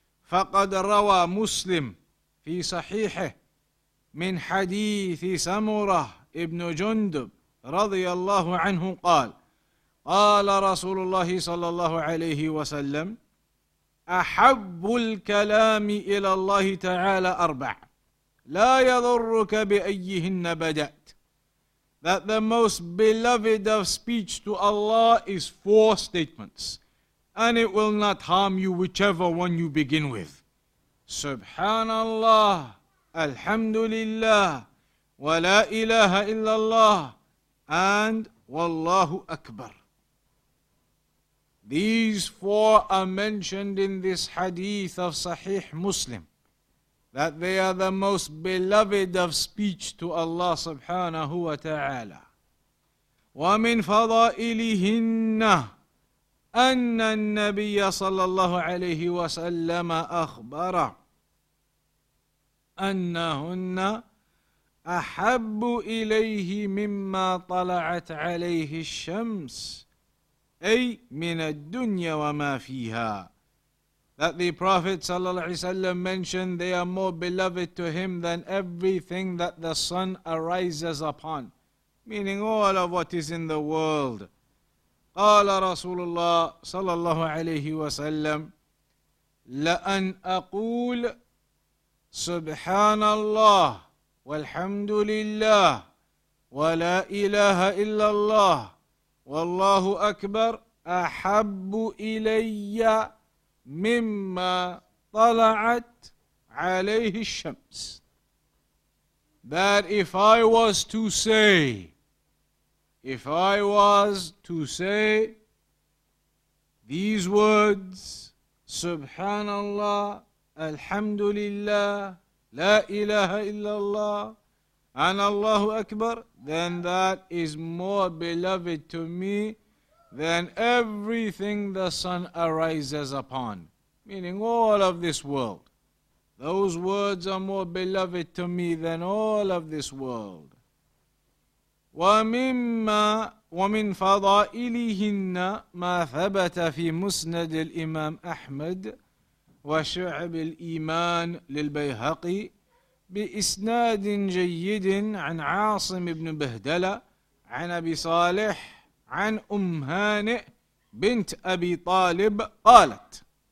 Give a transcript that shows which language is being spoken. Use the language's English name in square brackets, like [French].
[Arabic] فَقَدْ رَوَى مُسْلِمْ فِي صَحِيحِهِ مِنْ حَدِيثِ سَمُرَةِ إِبْنُ جُنْدُبْ رَضِيَ اللَّهُ عَنْهُ قَالَ رَسُولُ اللَّهِ صَلَّى اللَّهُ عَلَيْهِ وَسَلَّمْ أحب الكلام إلى الله تعالى أربع لا يضرك بأيهن بدأت. [English] That the most beloved of speech to Allah is four statements, and it will not harm you whichever one you begin with. [Arabic] سبحان الله الحمد لله ولا إله إلا الله and والله أكبر. [English] These four are mentioned in this hadith of Sahih Muslim, that they are the most beloved of speech to Allah subhanahu wa ta'ala. [Arabic] وَمِنْ فَضَائِلِهِنَّ أَنَّ النَّبِيَّ صَلَّى اللَّهُ عَلَيْهِ وَسَلَّمَ أَخْبَرَ أَنَّهُنَّ أَحَبُّ إِلَيْهِ مِمَّا طَلَعَتْ عَلَيْهِ الشَّمْسِ أي من الدنيا وما فيها. [English] that the Prophet ﷺ mentioned they are more beloved to him than everything that the sun arises upon, meaning all of what is in the world. [Arabic] قال رسول الله صلى الله عليه وسلم لأن أقول سبحان الله والحمد لله ولا إله إلا الله والله أكبر أحب إلي مما طلعت عليه الشمس. [English] That if I was to say, if I was to say these words, Subhanallah, Alhamdulillah, La ilaha illallah, and Allahu Akbar, then that is more beloved to me than everything the sun arises upon, meaning all of this world. Those words are more beloved to me than all of this world. [Arabic] ومن فضائلهن ما ثبت في مسند الإمام أحمد وشعب الإيمان للبيهقي بإسناد جيد عن عاصم بن بهدلة عن أبي صالح عن أم هانئ بنت أبي طالب قالت